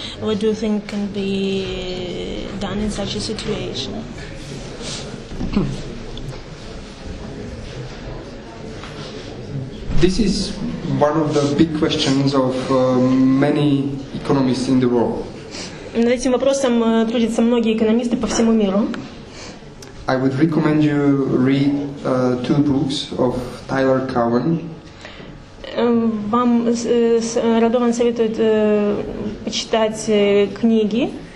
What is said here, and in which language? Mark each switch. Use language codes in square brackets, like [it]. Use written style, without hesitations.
[en] What do you think can be done in such a situation? This is one of the big questions of many economists in the world. [ru] Над этим вопросом трудятся многие экономисты по всему миру. [en] I would recommend you read two books of Tyler Cowen. [ru] Вам Радован советует почитать книги.